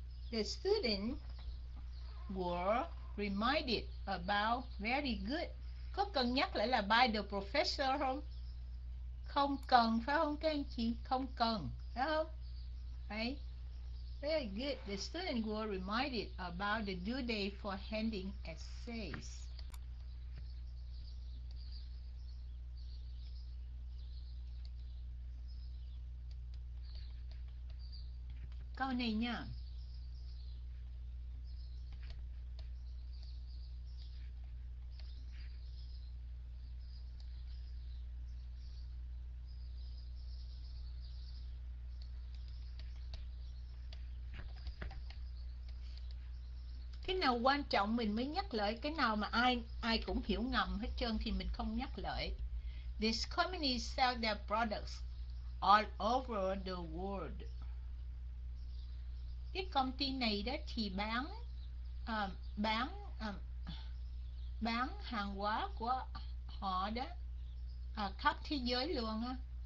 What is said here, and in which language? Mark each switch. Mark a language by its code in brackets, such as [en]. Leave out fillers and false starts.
[en] The student were reminded about very good. [vi] Có cần nhắc lại là [en] by the professor [vi] không? Không cần phải không các anh chị? Không cần, phải không? Đấy. [en] Very good. The student were reminded about the due date for handing essays. [vi] Câu này nha. Cái nào quan trọng mình mới nhắc lại, cái nào mà ai ai cũng hiểu ngầm hết trơn thì mình không nhắc lại. [en] This company sells their products all over the world. [vi] Cái công ty này đó thì bán hàng hóa của họ đó khắp thế giới luôn á.